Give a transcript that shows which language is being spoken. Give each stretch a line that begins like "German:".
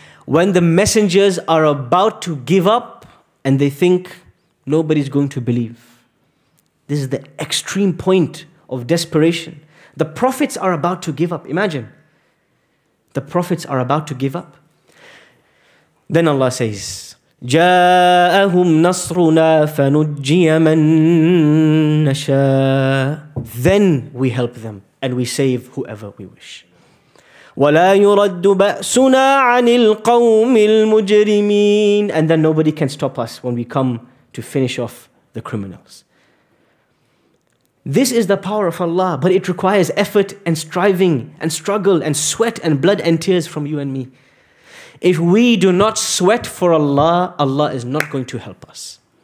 English: When the messengers are about to give up and they think nobody's going to believe. This is the extreme point of desperation. The prophets are about to give up. Imagine. The prophets are about to give up. Then Allah says,
Arabic: جاءهم نصرنا فنجي من نشاء.
English: Then we help them and we save whoever we wish.
Arabic: ولا يرد بأسنا عن القوم المجرمين.
English: And then nobody can stop us when we come to finish off the criminals. This is the power of Allah, but it requires effort and striving and struggle and sweat and blood and tears from you and me. If we do not sweat for Allah, Allah is not going to help us.